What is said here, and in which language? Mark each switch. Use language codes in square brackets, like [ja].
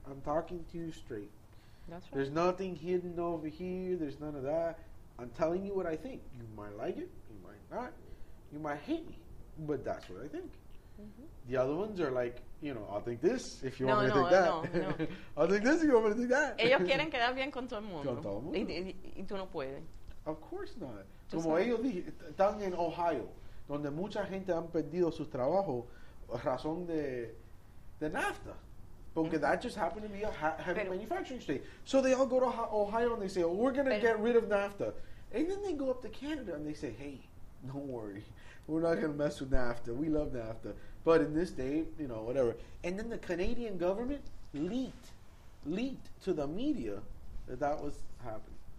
[en] I'm talking to you straight. That's right. There's nothing hidden over here. There's none of that. I'm telling you what I think. You might like it. You might not. You might hate me. But that's what I think. The other ones are like, you know, I'll take this if you want me to take that. No. I'll take this if you want me to take that. [es] Ellos quieren quedar bien con todo el mundo. Con todo el mundo. Y tú no puedes. [en] Of course not. [es] Como ellos dicen, están en Ohio, donde mucha gente han perdido sus trabajos a razón de NAFTA. Porque [en] that just happened to be a heavy manufacturing state. So they all go to Ohio and they say, oh, we're going to get rid of NAFTA. And then they go up to Canada and they say, hey, don't worry. We're not going to mess with NAFTA. We love NAFTA. But in this day, you know, whatever. And then the Canadian government leaked to the media that was happening.